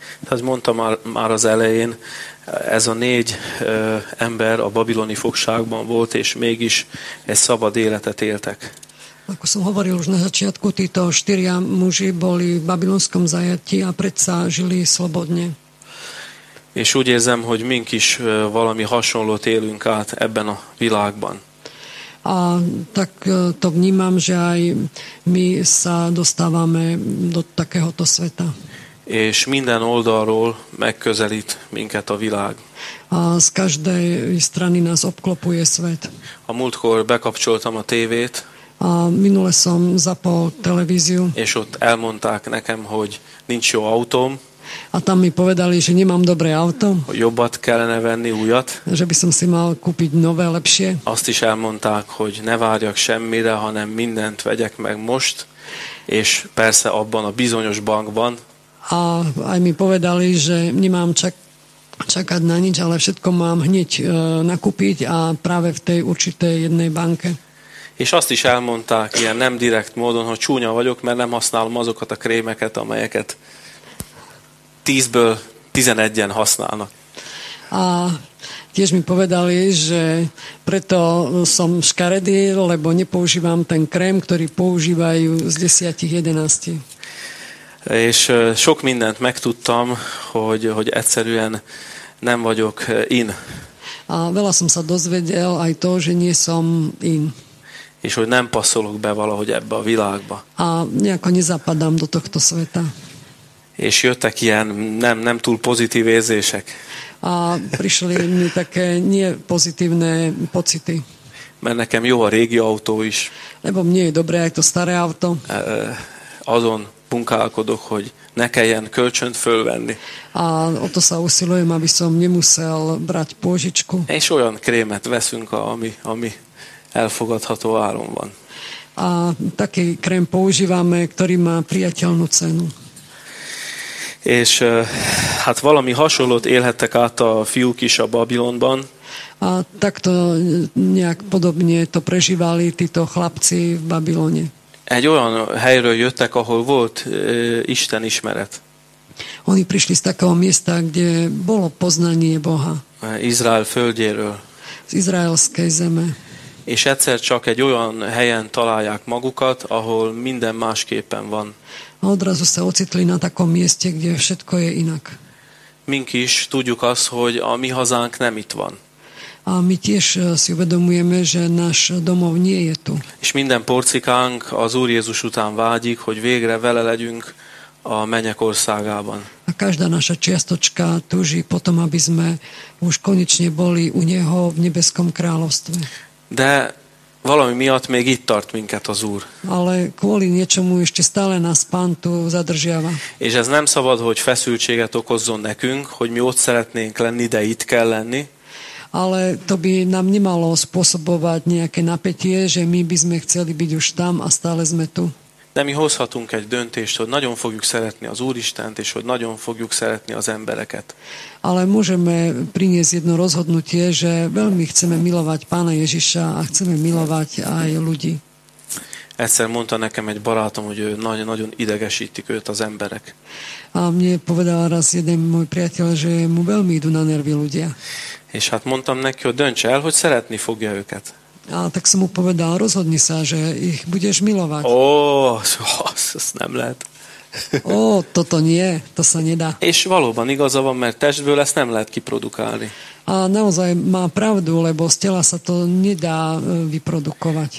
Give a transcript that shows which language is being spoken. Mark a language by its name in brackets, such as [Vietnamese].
[Hungarian] Ahogy mondtam már az elején, ez a 4 ember a babiloni fogságban volt, és mégis egy szabad életet éltek. [Slovak] Ako som hovoril už na začiatku, títo 4 muži boli v babilonskom zajatí a predsa žili slobodne. [Hungarian] És úgy érzem, hogy mink is valami hasonlót élünk át ebben a világban. [Slovak] A tak to vnímam, že aj my sa dostávame do takéhoto sveta. [Hungarian] És minden oldalról megközelít minket a világ. [Slovak] A z každej strany nás obklopuje svet. [Hungarian] A múltkor bekapcsoltam a tévét. [Slovak] A minule som zapol televíziu. [Hungarian] És ott elmondták nekem, hogy nincs jó autóm. [Slovak] A tam mi povedali, že nemám dobré auto. [Hungarian] Jobbat kellene venni, újat. [Slovak] Že by som si mal kúpiť nové, lepšie. [Hungarian] Azt is elmondták, hogy ne várjak semmire, hanem mindent vegyek meg most, és persze abban a bizonyos bankban. [Slovak] A aj mi povedali, že nemám čakať na nič, ale všetko mám hneď nakúpiť a práve v tej určitej jednej banke. [Hungarian] És azt is elmondták ilyen nem direkt módon, hogy csúnya vagyok, mert nem használom azokat a krémeket, amelyeket 10-ből 11-en használnak. [Slovak] A tiež mi povedali, že preto som škaredý, lebo nepoužívam ten krém, ktorý používajú z 10-11. [Hungarian] És sok mindent megtudtam, hogy egyszerűen nem vagyok in. [Slovak] A veľa som sa dozvedel aj to, že nie som in. [Hungarian] És hogy nem passzolok be valahogy ebbe a világba. [Slovak] A nejako nezapadám do tohto sveta. [Hungarian] És jöttek ilyen nem túl pozitív érzések. [Slovak] A prišli mi také nie pozitívne pocity. [Hungarian] Mert nekem jó a régi autó is. [Slovak] Lebo mne je dobré aj to staré auto. [Hungarian] Azon munkálkodok, hogy ne kelljen kölcsönt fölvenni. [Slovak] A o to sa usilujem, aby som nemusel brať pôžičku. [Hungarian] És olyan krémet veszünk, ami elfogadható áron van. [Slovak] A taký krém používame, ktorý má priateľnú cenu. [Hungarian] És hát valami hasonlót élhettek át a fiúk is a Babilonban. [Slovak] A takto nejak podobne to prežívali títo chlapci v Babilone. [Hungarian] Egy olyan helyről jöttek, ahol volt Isten ismeret. [Slovak] Oni prišli z takého miesta, kde bolo poznanie Boha. [Hungarian] Izrael földjéről. [Slovak] Z izraelskej zeme. [Hungarian] És egyszer csak egy olyan helyen találják magukat, ahol minden másképpen van. [Slovak] A odrazu sa ocitli na takom mieste, kde všetko je inak. [Hungarian] Mink is tudjuk azt, hogy a mi hazánk nem itt van. [Slovak] A my tiež si uvedomujeme, že náš domov nie je tu. [Hungarian] És minden porcikánk az Úr Jézus után vágyik, hogy végre vele legyünk a mennyek országában. [Slovak] A každá naša čiastočka túži potom, aby sme už konečne boli u Neho v nebeskom kráľovstve. [Hungarian] De valami miatt még itt tart minket az Úr. [Slovak] Ale kvôli niečomu ešte stále nás Pán tu zadržiava. [Hungarian] És ez nem szabad, hogy feszültséget okozzon nekünk, hogy mi ott szeretnénk lenni, de itt kell lenni. [Slovak] Ale to by nám nemalo spôsobovať nejaké napätie, že my by sme chceli byť už tam a stále sme tu. [Hungarian] De mi hozhatunk egy döntést, hogy nagyon fogjuk szeretni az Úristent, és hogy nagyon fogjuk szeretni az embereket. [Slovak] Ale môžeme priniesť jedno rozhodnutie, že veľmi chceme milovať Pána Ježiša a chceme milovať aj ľudí. [Hungarian] Egyszer mondta nekem egy barátom, hogy nagyon idegesítik őt az emberek. [Slovak] A mne povedal raz jeden môj priateľ, že mu veľmi idú na nervy ľudia. [Hungarian] És hát mondtam neki, hogy dönts el, hogy szeretni fogja őket. [Slovak] A tak som mu povedal, rozhodni sa, že ich budeš milovať. [Hungarian] Ó, ez nem lehet. [Slovak] Ó, toto nie, to sa nedá. [Hungarian] És valóban igaza van, mert testből ezt nem lehet kiprodukálni. [Slovak] A naozaj má pravdu, lebo z tela sa to nedá vyprodukovať.